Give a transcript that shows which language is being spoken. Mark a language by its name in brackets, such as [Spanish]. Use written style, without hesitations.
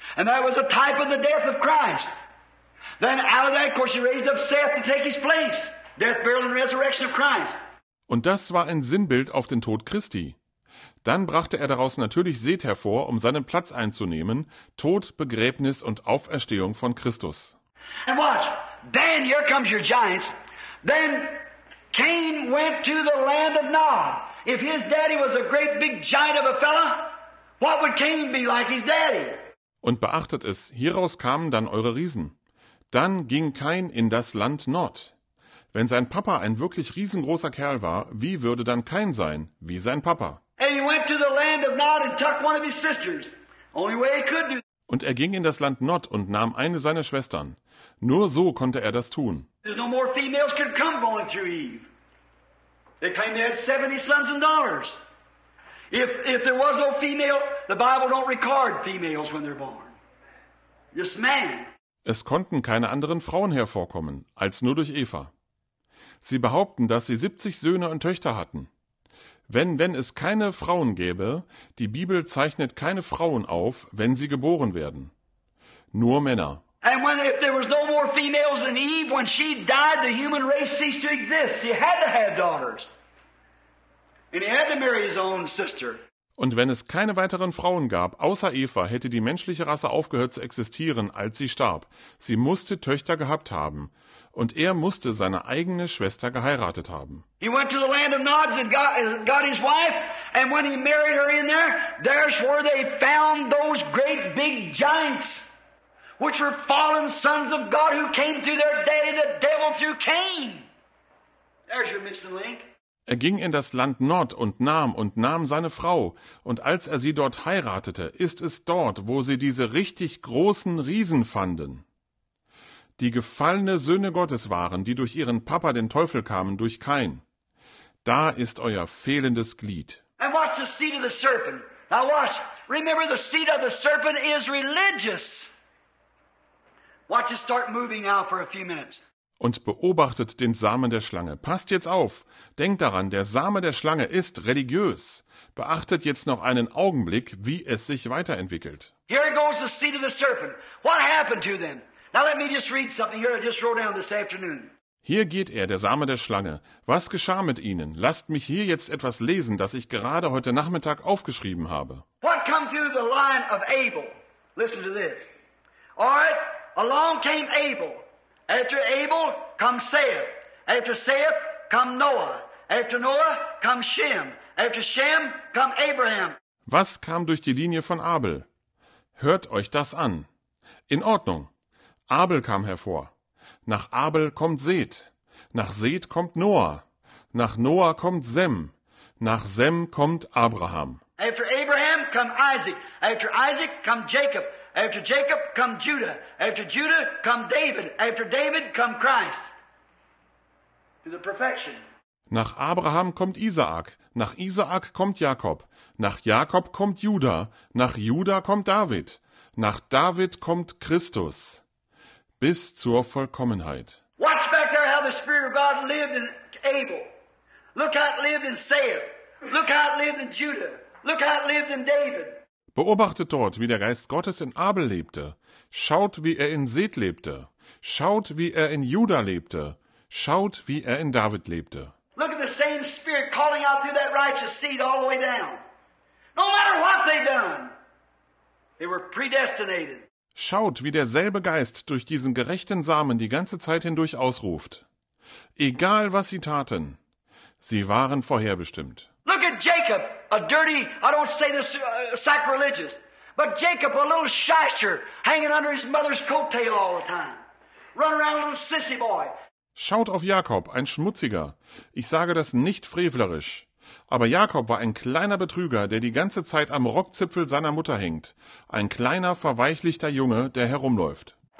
[English] And that was a type of the death of Christ. Then out of that, of course, he raised up Seth to take his place. Death, burial, and resurrection of Christ. [German] Und das war ein Sinnbild auf den Tod Christi. Dann brachte er daraus natürlich Seth hervor, um seinen Platz einzunehmen. Tod, Begräbnis und Auferstehung von Christus. [English] And watch. Then here comes your giants. Then Cain went to the land of Nod. If his daddy was a great big giant of a fella, what would Cain be like his daddy? [German] Und beachtet es, hieraus kamen dann eure Riesen. Dann ging Cain in das Land Nod. Wenn sein Papa ein wirklich riesengroßer Kerl war, wie würde dann Cain sein, wie sein Papa? [English] And he went to the land of Nod and took one of his sisters. Only way he could do. [German] Und er ging in das Land Nod und nahm eine seiner Schwestern. Nur so konnte er das tun. [English] There's no more females could come going through Eve. They claimed they had 70 sons and daughters. If there was no female, the Bible don't record females when they're born. Just man. [German] Es konnten keine anderen Frauen hervorkommen, als nur durch Eva. Sie behaupten, dass sie 70 Söhne und Töchter hatten. Wenn es keine Frauen gäbe, die Bibel zeichnet keine Frauen auf, wenn sie geboren werden. Nur Männer. [English] And when if there was no more females than Eve, when she died, the human race ceased to exist. She had to have daughters. And he had to marry his own sister. [German] Und wenn es keine weiteren Frauen gab, außer Eva, hätte die menschliche Rasse aufgehört zu existieren, als sie starb. Sie musste Töchter gehabt haben. Und er musste seine eigene Schwester geheiratet haben. [English] He went to the land of Nod and got his wife. And when he married her in there, there's where they found those great big giants. Which were fallen sons of God who came through their daddy, the devil through Cain. There's your missing link. [German] Er ging in das Land Nod und nahm seine Frau. Und als er sie dort heiratete, ist es dort, wo sie diese richtig großen Riesen fanden. Die gefallene Söhne Gottes waren, die durch ihren Papa den Teufel kamen, durch Cain. Da ist euer fehlendes Glied. [English] And watch the seed of the serpent. Now watch. Remember, the seed of the serpent is religious. Watch it start moving out for a few minutes. [German] Und beobachtet den Samen der Schlange. Passt jetzt auf. Denkt daran, der Same der Schlange ist religiös. Beachtet jetzt noch einen Augenblick, wie es sich weiterentwickelt. [English] Here goes the seed of the serpent. What happened to them? Now let me just read something here. I just wrote down this afternoon. [German] Hier geht er, der Same der Schlange. Was geschah mit ihnen? Lasst mich hier jetzt etwas lesen, das ich gerade heute Nachmittag aufgeschrieben habe. [English] What come through the line of Abel? Listen to this. All right. Along came Abel. After Abel comes Seth. After Seth comes Noah. After Noah comes Shem. After Shem comes Abraham. [German] Was kam durch die Linie von Abel? Hört euch das an. In Ordnung. Abel kam hervor. Nach Abel kommt Seth. Nach Seth kommt Noah. Nach Noah kommt Sem. Nach Sem kommt Abraham. [English] After Abraham comes Isaac. After Isaac comes Jacob. After Jacob comes Judah. After Judah comes David. After David comes Christ. To the perfection. [German] Nach Abraham kommt Isaak. Nach Isaak kommt Jakob. Nach Jakob kommt Judah. Nach Judah kommt David. Nach David kommt Christus. Bis zur Vollkommenheit. [English] Watch back there how the Spirit of God lived in Abel. Look how it lived in Seth. Look how it lived in Judah. Look how it lived in David. [German] Beobachtet dort, wie der Geist Gottes in Abel lebte. Schaut, wie er in Seth lebte. Schaut, wie er in Judah lebte. Schaut, wie er in David lebte. [English] Look at the same Spirit calling out through that righteous seed all the way down. No matter what they've done, they were predestinated. [German] Schaut, wie derselbe Geist durch diesen gerechten Samen die ganze Zeit hindurch ausruft. Egal, was sie taten, sie waren vorherbestimmt. [English] Look at Jacob, a dirty, I don't say this sacrilegious, but Jacob, a little shyster, hanging under his mother's coattail all the time, running around a little sissy boy. [German] Schaut auf Jakob, ein Schmutziger. Ich sage das nicht frevlerisch. Aber Jakob war ein kleiner Betrüger, der die ganze Zeit am Rockzipfel seiner Mutter hängt. Ein kleiner, verweichlichter Junge, der herumläuft.